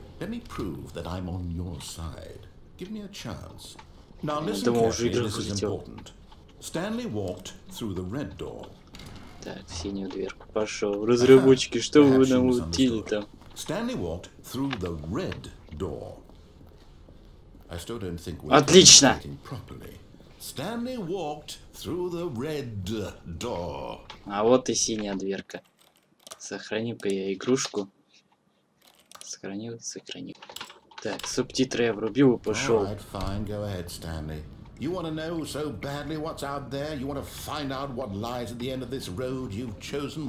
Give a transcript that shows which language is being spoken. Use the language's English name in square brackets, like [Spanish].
[English] Let me prove that I'm on your side. Give me a chance. Now listen carefully, this is important. Stanley walked through the red door. [Russian] Так, синюю дверку пошел. Разработчики, что вы нам утили там? [English] Stanley walked through the red door. I still don't think we're [Russian] Отлично! [English] Properly. Stanley walked through the red door. [Russian] А вот и синяя дверка. Сохраню-ка я игрушку. Сохраню. Так, субтитры я врубил и пошел. [English] Alright, fine, go ahead, Stanley. You want to know so badly what's out there? You want to find out what lies at the end of this road you've chosen?